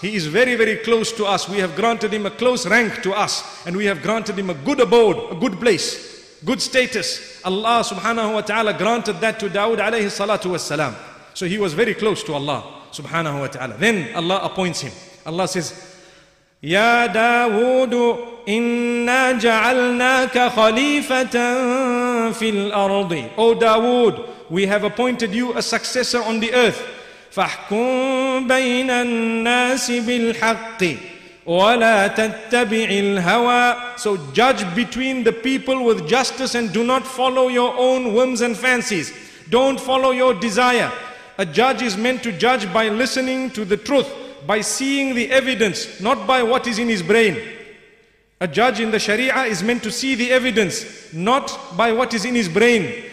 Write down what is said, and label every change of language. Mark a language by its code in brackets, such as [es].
[en] He is very, very close to us. We have granted him a close rank to us, and we have granted him a good abode, a good place, good status. Allah subhanahu wa ta'ala granted that to Dawood alayhi salatu wasalam. So he was very close to Allah subhanahu wa ta'ala. Then Allah appoints him. Allah says, [ar] يا داود إنا جعلناك خليفة في الأرض. [en] O Dawood, we have appointed you a successor on the earth. [ar] فاحكم بين الناس بالحق ولا تتبع الهوى. [en] So judge between the people with justice and do not follow your own whims and fancies. Don't follow your desire. A judge is meant to judge by listening to the truth, by seeing the evidence, not by what is in his brain. A judge in the Sharia is meant to see the evidence, not by what is in his brain.